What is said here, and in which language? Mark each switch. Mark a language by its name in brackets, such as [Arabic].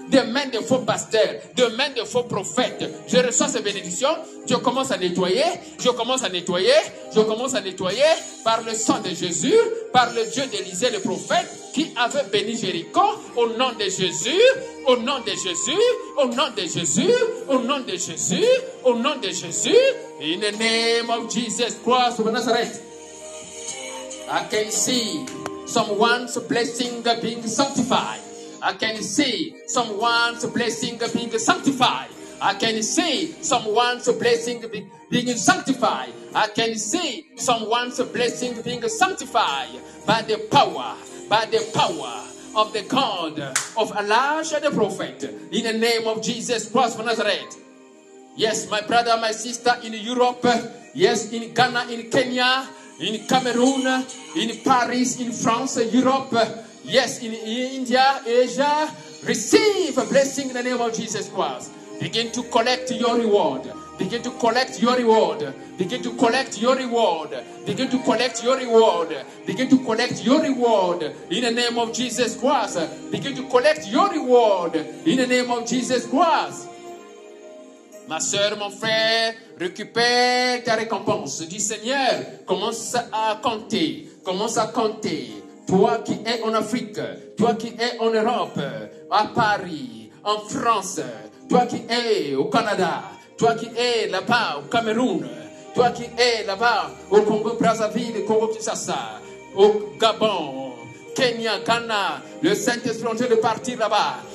[French] Des mains de faux pasteurs. Des mains de faux prophètes. Je reçois ces bénédictions. Je commence à nettoyer. Je commence à nettoyer. Je commence à nettoyer par le sang de Jésus, par le Dieu d'Élisée, le prophète, qui avait béni Jéricho. Au nom de Jésus, au nom de Jésus, au nom de Jésus, au nom de Jésus, au nom de Jésus. [English] In the name of Jesus Christ of Nazareth. I can see someone's blessing being sanctified. I can see someone's blessing being sanctified. I can see someone's blessing being sanctified. I can see someone's blessing being sanctified by the power of the God of Elijah the prophet, in the name of Jesus Christ of Nazareth. Yes, my brother, my sister in Europe, yes, in Ghana, in Kenya, in Cameroon, in Paris, in France, Europe, yes, in India, Asia, receive a blessing in the name of Jesus Christ. Begin to collect your reward. Begin to collect your reward. Begin to collect your reward. Begin to collect your reward. Begin to collect your reward in the name of Jesus Christ. Begin to collect your reward in the name of Jesus Christ. [French] Ma soeur, mon frère, récupère ta récompense du Seigneur. Commence à compter. Commence à compter. Toi qui es en Afrique, toi qui es en Europe, à Paris, en France, toi qui es au Canada, toi qui es là-bas au Cameroun, toi qui es là-bas au Congo-Brazzaville, Congo-Kinshasa, au Gabon, Kenya, Ghana, le Saint-Esprit en train de partir là-bas.